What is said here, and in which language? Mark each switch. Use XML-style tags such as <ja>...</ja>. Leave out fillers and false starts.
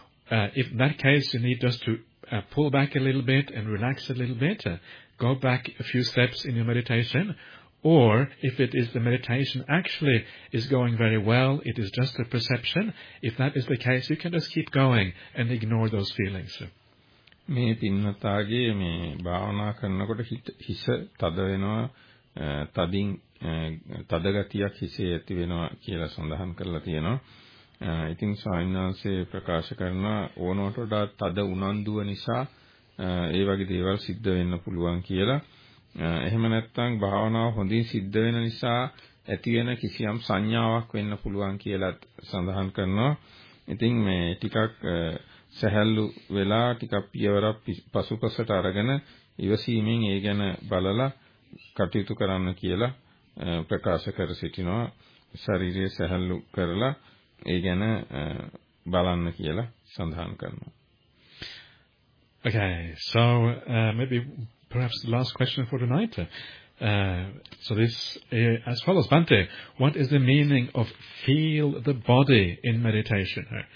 <en>If in that case you need just to pull back a little bit and relax a little bit, go back a few steps in your meditation, or if it is the meditation actually is going very well, it is just a perception, if that is the case, you can just keep going and ignore those feelings.</en> <si>මේ පින්නතාගේ මේ භාවනා කරනකොට හිස තද වෙනවා, තදින් තද ගතියක් හිසේ ඇති වෙනවා කියලා සඳහන් කරලා තියෙනවා. ඉතින් සායනාංශයේ ප්‍රකාශ කරන ඕනවට වඩා තද උනන්දුව නිසා ඒ වගේ දේවල් සිද්ධ වෙන්න පුළුවන් කියලා. එහෙම නැත්නම් භාවනාව හොඳින් සිද්ධ වෙන නිසා ඇති වෙන කිසියම් සංඥාවක් වෙන්න පුළුවන් කියලත් සඳහන් කරනවා. ඉතින් මේ ටිකක් සැහැල්ලු වෙලා ටිකක් පියවරක් පසුපසට අරගෙන ඉවසීමෙන් ඒ ගැන බලලා කටයුතු කරන්න කියලා ප්‍රකාශ කර සිටිනවා. ශරීරය සැහැල්ලු කරලා ඒ ගැන බලන්න කියලා සඳහන් කරනවා.</si> <en>Okay, so maybe perhaps the last question for tonight. So this as follows, Bhante, what is the meaning of feel the body in meditation?</en>